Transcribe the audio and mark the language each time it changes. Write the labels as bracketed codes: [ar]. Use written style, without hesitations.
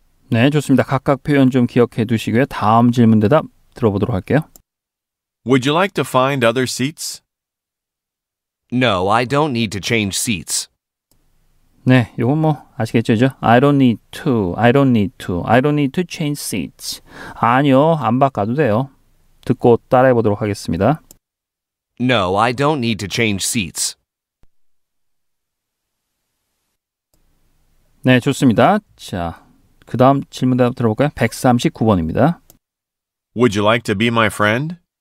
[ko] 네, 좋습니다. 각각 표현 좀 기억해 두시고요. 다음 질문 대답 들어보도록 할게요. [en] Would you like to find other seats? No, I don't need to change seats. [ko] 네, 이건 뭐 아시겠죠, 그죠? [en] I don't need to, I don't need to, I don't need to change seats. [ko] 아니요, 안 바꿔도 돼요. 듣고 따라해 보도록 하겠습니다. [en] No, I don't need to change seats. [ko] 네, 좋습니다. 자, 그 다음 질문 대답 들어볼까요? 139번입니다. [en] Would you like to be my friend?